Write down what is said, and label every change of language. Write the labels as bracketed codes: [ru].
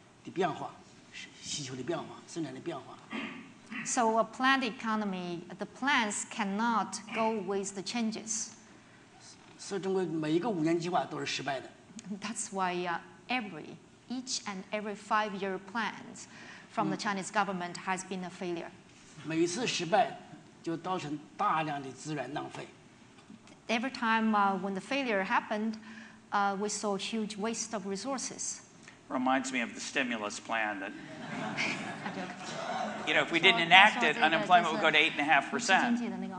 [zh] 人不可能认识计划的变化，需求的变化，生产的变化。 [en] So a planned economy, the plans cannot go with the changes. That's why each and every five-year plan from the Chinese government has been a failure. [zh] 每次失败就造成大量的资源浪费。 [en] Every time when the failure happened, we saw huge waste of resources. Reminds me of the stimulus plan that, you know, if we didn't enact it, unemployment would go to 8.5%.